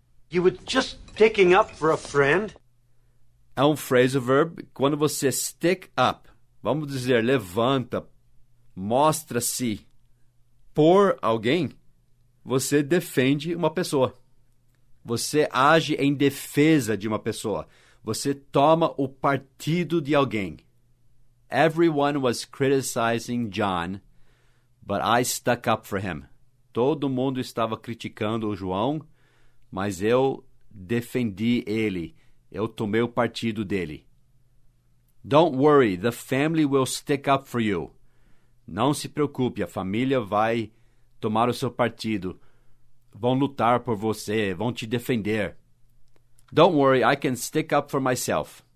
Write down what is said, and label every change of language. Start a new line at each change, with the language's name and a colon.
English: You were just sticking up for a friend.
Portuguese: É um phrasal verb. Quando você stick up, vamos dizer, levanta, mostra-se por alguém, você defende uma pessoa. Você age em defesa de uma pessoa. Você toma o partido de alguém.
English: Everyone was criticizing John, but I stuck up for him.
Portuguese: Todo mundo estava criticando o João, mas eu defendi ele. Eu tomei o partido dele.
English: Don't worry, the family will stick up for you.
Portuguese: Não se preocupe, a família vai tomar o seu partido. Vão lutar por você, vão te defender.
English: Don't worry, I can stick up for myself.